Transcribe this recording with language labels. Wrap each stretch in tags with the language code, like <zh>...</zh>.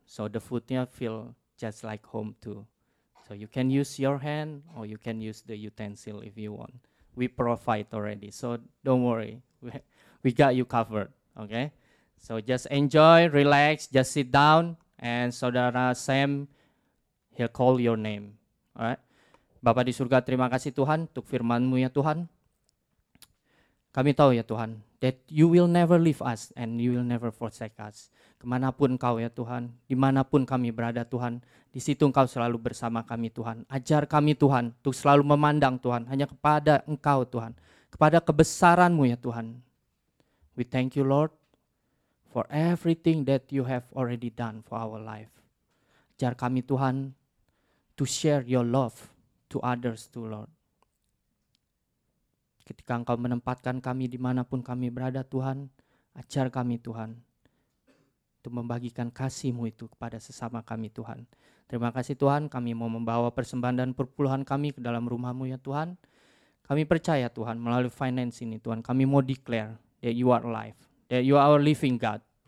<en>So the foodnya feel just like home too. So you can use your hand or you can use the utensil if you want. we provide already. So don't worry, we got you covered. Okay, so just enjoy, relax, just sit down, and Saudara Sam, he'll call your name.</en> <id>Alright, Bapa di surga, terima kasih Tuhan untuk firman-Mu ya Tuhan. Kami tahu ya Tuhan</id> <en>that you will never leave us and you will never forsake us.</en> <id>Kemanapun Kau ya Tuhan, dimanapun kami berada Tuhan, di situ Engkau selalu bersama kami Tuhan. Ajar kami Tuhan untuk selalu memandang Tuhan hanya kepada Engkau Tuhan, kepada kebesaran-Mu ya Tuhan.</id> <en>We thank you Lord for everything that you have already done for our life.</en> <id>Ajar kami Tuhan</id> <en>to share your love to others too Lord.</en> <id>Ketika Engkau menempatkan kami dimanapun kami berada Tuhan, ajar kami Tuhan untuk membagikan kasih-Mu itu kepada sesama kami Tuhan. Terima kasih Tuhan, kami mau membawa persembahan dan perpuluhan kami ke dalam rumah-Mu ya Tuhan. Kami percaya Tuhan melalui</id> <en>finance</en> <id>ini Tuhan, kami mau</id> <en>declare that you are alive, that you are our living God.</en>